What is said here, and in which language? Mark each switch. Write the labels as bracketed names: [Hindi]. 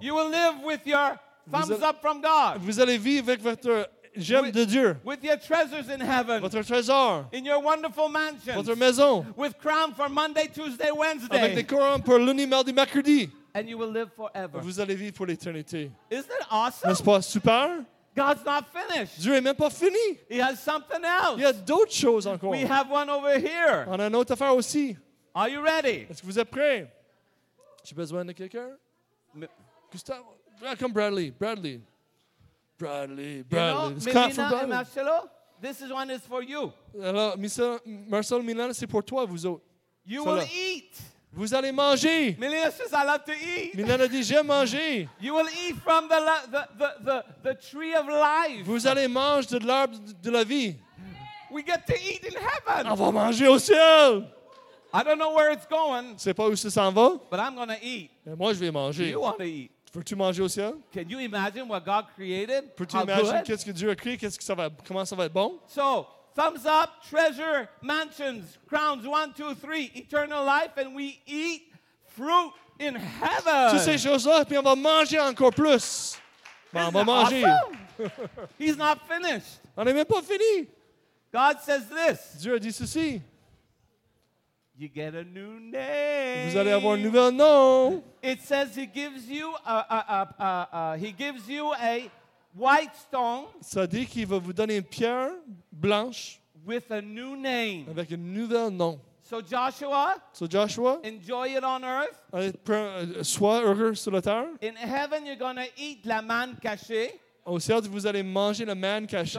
[English] You will live with your thumbs up from God. [French] Vous allez vivre avec votre j'aime de Dieu. [English] With your treasures in heaven. [French] Votre trésor. [English] In your wonderful mansion. [French] Votre maison. [English] With crown for Monday, Tuesday, Wednesday. [French] Avec des couronnes pour lundi, mardi, mercredi. [English] And you will live forever. [French] Vous allez vivre pour l'éternité. [English] Isn't that awesome? [French] N'est-ce pas super? [English] God's not finished. [French] Dieu est même pas fini. [English] He has something else. [French] Il y a d'autres choses encore. [English] We have one over here. [French] On a une autre affaire aussi. [English] Are you ready? [French] Est-ce que vous êtes prêts? J'ai besoin de quelqu'un? Gustavo, welcome Bradley. Bradley. [English] You know, Melina and Marcelo, this is one is for you. [French] Alors, Marcelo, Melina, c'est pour toi, vous autres. [English] You will eat. [French] Vous allez manger. [English] Melina says, I love to eat. [French] Melina dit, j'aime manger. [English] You will eat from the tree of life. [French] Vous allez manger de l'arbre de la vie. [English] We get to eat in heaven. [French] On va manger au ciel. [English] I don't know where it's going. [French] C'est pas où ça s'en va. [English] But I'm going to eat. [French] Et moi, je vais manger. [English] You want to eat. [French] Peux-tu manger au ciel? [English] Can you imagine what God created? [French] Peux-tu imaginer qu'est-ce que Dieu a créé? Qu'est-ce que ça va, comment ça va être bon? [English] So, thumbs up, treasure, mansions, crowns, 1, 2, 3, eternal life, and we eat fruit in heaven. [French] Toutes ces choses-là, puis on va manger encore plus. Ben, on va manger. [English] Awesome? He's not finished. [French] On n'est même pas fini. [English] God says this. [French] Dieu a dit ceci. [English] You get a new name. [French] Vous allez avoir un nouvel nom. [English] It says he gives you a white stone. [French] Ça dit qu'il va vous donner une pierre blanche. [English] With a new name. [French] Avec un nouvel nom. [English] So Joshua, enjoy it on earth. [French] Sois heureux sur la terre. [English] In heaven, you're gonna eat [French] la manne cachée. Au ciel, vous allez manger le manne caché,